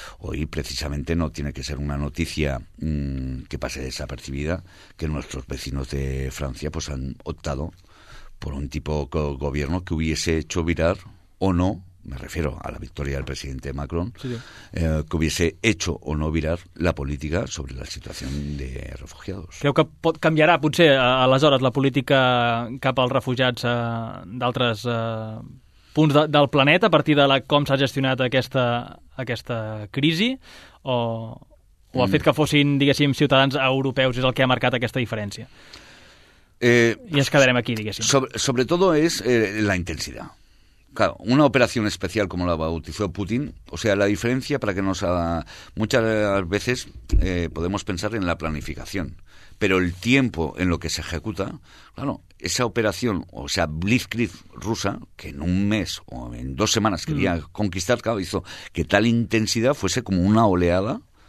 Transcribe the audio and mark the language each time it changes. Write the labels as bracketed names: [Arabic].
[Spanish] Hoy, precisamente, no tiene que ser una noticia que pase desapercibida que nuestros vecinos de Francia pues han optado por un tipo de gobierno que hubiese hecho virar o no, me refiero a la victoria del presidente Macron, sí, que hubiese hecho o no virar la política sobre la situación de refugiados. [Catalan] Creu que pot canviarà, potser, aleshores, la política cap als refugiats d'altres punts del planeta a partir de com s'ha gestionat aquesta crisi? O el fet que fossin, diguéssim, ciutadans europeus és el que ha marcat aquesta diferència? Y es quedaremos aquí, diguéssim. [Spanish] Sobre todo es la intensidad. Claro, una operación especial como la bautizó Putin, o sea, la diferencia para que nos haga... Muchas veces podemos pensar en la planificación, pero el tiempo en lo que se ejecuta, claro, esa operación, o sea, Blitzkrieg rusa, que en un mes o en 2 semanas quería conquistar, claro, hizo que tal intensidad fuese como una oleada.